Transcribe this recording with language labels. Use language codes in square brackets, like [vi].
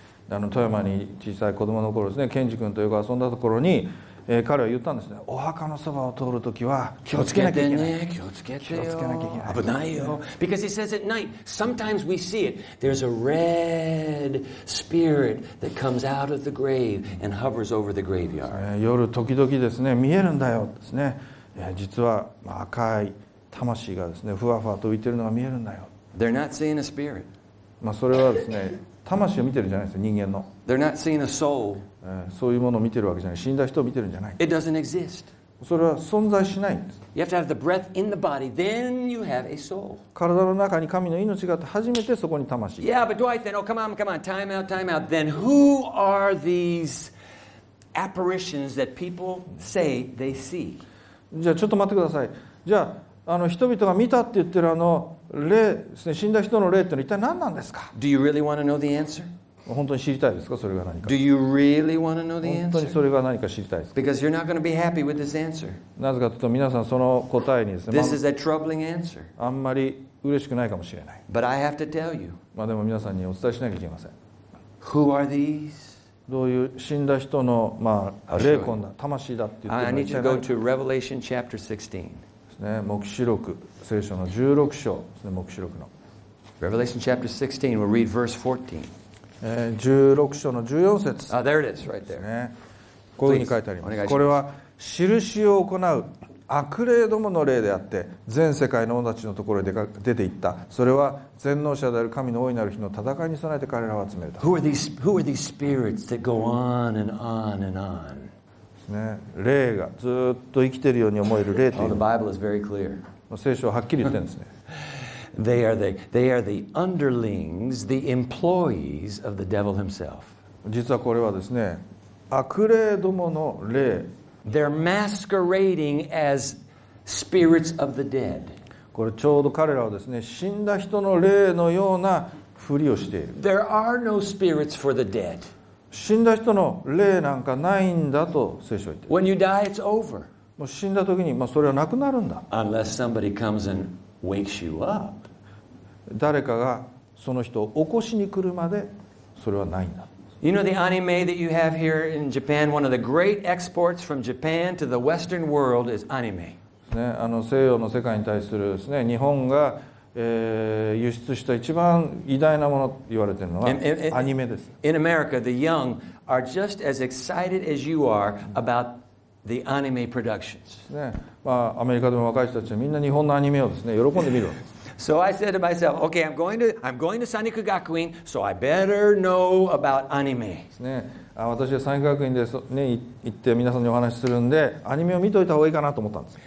[ja] あの、富山に小さい子供の頃ですね、ケンジ君とよく遊んだところに、彼は言ったんですね。お墓のそばを通るときは気をつけなきゃいけない。気をつけてね。気をつけなきゃいけない。危ないよ。 [en] Because he says at night, sometimes we see it. There's a red spirit that comes out of the grave and hovers over the graveyard. [ja] 夜時々ですね、見えるんだよですね。実は赤い魂がですね、ふわふわと浮いてるのが見えるんだよ。 [en] They're not seeing a spirit. [ja] まあそれはですね、魂を見てるじゃないですか、人間の。 [en] They're not seeing a soul. [ja] そういうものを見てるわけじゃない。死んだ人を見てるんじゃない。 [en] It doesn't exist. [ja] それは存在しないんです。 [en] You have to have the breath in the body, then you have a soul. [ja] 体の中に神の命があって初めてそこに魂。 [en] Yeah, but Dwight, then, oh, come on, time out. Then who are these apparitions that people say they see? [ja] じゃあちょっと待ってください。じゃああの人々が見たって言ってるあの霊ですね、死んだ人の霊ってのは一体何なんですか。 [en] Do you really want to know the answer? [ja] 本当に知りたいですか、それが何か。 [en] Do you really want to know the answer? [ja] 本当にそれが何か知りたいですか。 [en] Because you're not going to be happy with this answer. [ja] なぜかというと、皆さんその答えにですね、 [en] This is a troubling answer. [ja] あんまり嬉しくないかもしれない。 [en] But I have to tell you. [ja] まあでも皆さんにお伝えしなきゃいけません。 [en] Who are these? [ja] どういう死んだ人の、まあ、霊魂だ、魂だって言ってもらいたい。 [en] I need to go to Revelation chapter 16. [ja] ですね、黙示録、聖書の16章ですね、黙示録の。 [en] Revelation chapter 16, we'll read verse 14. [ja] 16章の14節、 [en] ah, there it is, right there. [ja] ね、こういうふうに書いてあります。Please, これは印を行う悪霊どもの霊であって、全世界の者たちのところへ出ていった。それは全能者である神の大いなる日の戦いに備えて彼らを集めた。 [en] Who are these spirits that go on and on and on?、 [ja] ね、霊がずっと生きているように思える霊というの、 [en] oh, the Bible is very clear. [ja] 聖書ははっきり言ってるんですね。 [en] They are the underlings, the employees of the devil himself. [ja] 実はこれはですね、悪霊どもの霊。 [en] They're masquerading as spirits of the dead. [ja] これちょうど彼らはですね、死んだ人の霊のようなふりをしている。 [en] There are no spirits for the dead. [ja] 死んだ人の霊なんかないんだと聖書は言っている。 [en] When you die, it's over. [ja] もう死んだ時に、まあ、それはなくなるんだ。 [en] Unless somebody comes and wakes you up. [ja] 誰かがその人を起こしに来るまでそれはないんだ。 [en] You know the anime that you have here in Japan, one of the great exports from Japan to the Western world is anime. [ja] ね、あの西洋の世界に対するですね、日本が、輸出した一番偉大なものと言われているのはアニメです。 [en] In America, the young are just as excited as you are about the anime productions. [ja] ね、まあ、アメリカでも若い人たちはみんな日本のアニメをですね、喜んで見るわけです。 [en] So I said to myself, okay, I'm going to Sanriku Gakuin, so I better know about anime. [ja] ね、私は三陸学院で、ね、行って皆さんにお話しするんで、アニメを見といた方がいいかなと思ったんです。